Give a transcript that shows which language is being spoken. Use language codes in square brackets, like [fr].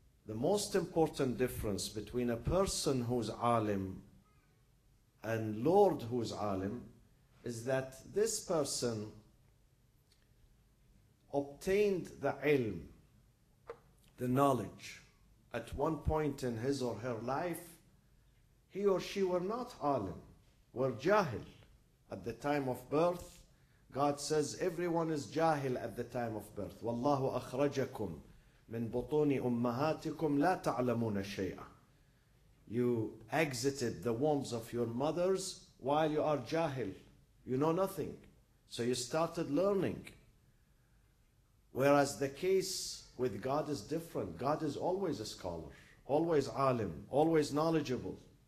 [en] The most important difference between a person who is alim and Lord who is alim is that this person obtained the ilm, the knowledge, at one point in his or her life. He or she were not alim, were jahil at the time of birth. God says everyone is jahil at the time of birth. [ar] Wallahu akhrajakum من بطون أمهاتكم لا تعلمون شيئا. [en] You exited the wombs of your mothers while you are jahil. You know nothing. So you started learning. Whereas the case with God is different. God is always a scholar, always alim, always knowledgeable.